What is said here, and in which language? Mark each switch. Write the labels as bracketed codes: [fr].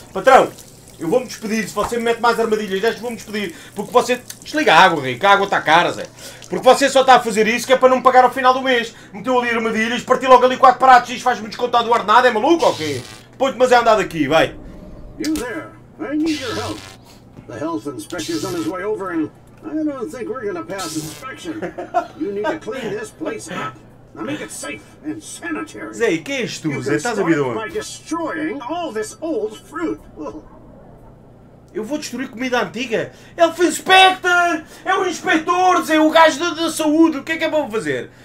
[pt] Patrão, eu vou-me despedir. Se você me mete mais armadilhas, deixa-me vou-me despedir. Porque você... Desliga a água, Rico. A água está cara, Zé. Porque você só está a fazer isso que é para não me pagar ao final do mês. Meteu ali armadilhas, partiu logo ali 4 pratos e isto faz-me descontar do ordenado. É maluco ou quê? Põe-te mas é andado aqui, vai! [en] You there! I need your help! The health inspector's on his way over and I don't think we're gonna pass inspection. You need to clean this place up. Now make it safe and sanitary. [pt] Zé, que és tu, Zé? Estás a ouvir onde? [en] By destroying all this old fruit. [pt] Eu vou destruir comida antiga? [en] Elf Inspector! [pt] É o inspector, Zé, o gajo da saúde! O que é que é bom fazer?